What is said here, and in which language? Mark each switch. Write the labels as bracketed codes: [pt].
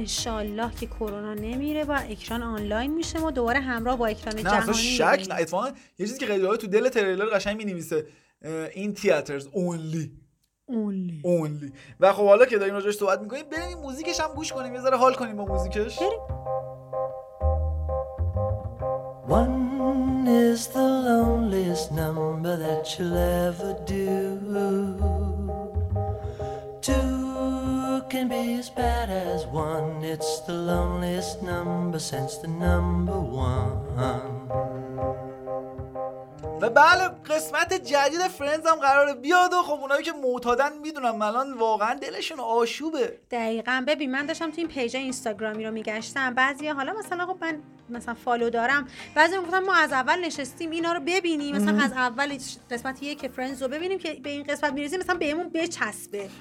[fa] ان شاء الله که کرونا نمیره و اکران آنلاین میشه ما دوباره همراه با اکران نه جهانی. نه شک نه اتفاقا یه چیزی که خیلی باحال تو دل تریلر قشنگ مینویسه این تیاترز اونلی. و خب حالا که داریم راجعش صحبت میکنیم بریم موزیکش هم گوش کنیم، یه ذره حال کنیم با موزیکش. بریم. [en] One is the loneliest number that you'll ever do. Two can be as bad as one. It's the loneliest number since the number one. [fa] و بله قسمت جدید فرندز هم قراره بیاد و خب اونایی که معتادن میدونم الان واقعا دلشون آشوبه. دقیقاً ببین من داشتم تو این پیج اینستاگرامی رو میگشتم، بعضیا حالا مثلا خب من مثلا فالو دارم، بعضی میگفتن ما از اول نشستیم اینا رو ببینیم، مثلا از اول قسمت یک فرندز رو ببینیم که به این قسمت میرسیم مثلا بهمون بچسبه.